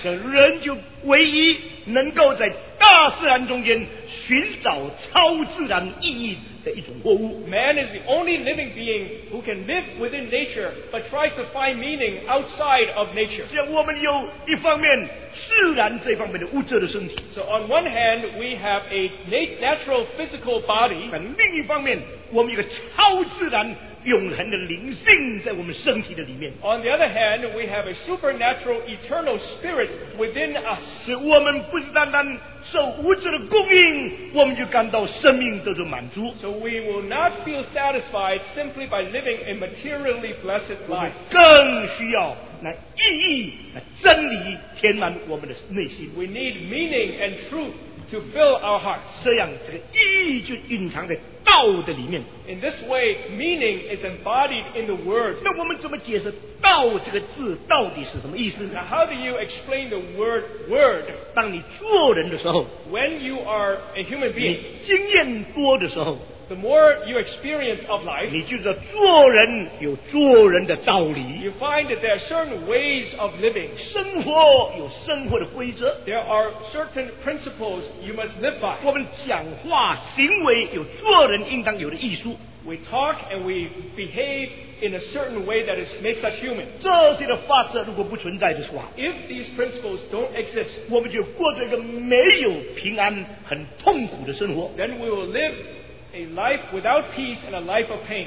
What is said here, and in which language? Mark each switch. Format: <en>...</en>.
<zh>神人就唯一能够在大自然中间寻找超自然意义的一种活物。</zh> <en>Man is the only living being who can live within nature but tries to find meaning outside of nature.</en> <zh>这样我们有一方面自然这方面的物质的身体。</zh> <en>So on one hand we have a natural physical body.</en> <zh>但另一方面我们有个超自然永恒的灵性在我们身体的里面。</zh> <en>On the other hand, we have a supernatural eternal spirit within us.</en> <zh>是我们不是单单受物质的供应，我们就感到生命得到满足。</zh> <en>So we will not feel satisfied simply by living a materially blessed life.</en> <zh>我们更需要那意义、那真理填满我们的内心。</zh> <en>We need meaning and truth to fill our hearts.</en> <zh>这样这个意义就蕴藏在道的里面。</zh> <en>In this way, meaning is embodied in the word.</en> <zh>那我们怎么解释道这个字到底是什么意思呢？</zh> <en>Now, how do you explain the word?</en> <zh>当你做人的时候，</zh> <en>When you are a human being,</en> <zh>你经验多的时候，</zh> <en>The more you experience of life,</en> <zh>你就知道做人有做人的道理。</zh> <en>You find that there are certain ways of living.</en> <zh>生活有生活的规则。</zh> <en>There are certain principles you must live by.</en> <zh>我们讲话行为有做人应当有的艺术。</zh> <en>We talk and we behave in a certain way that is, makes us human. If these principles don't exist, then we will live a life without peace and a life of pain.</en>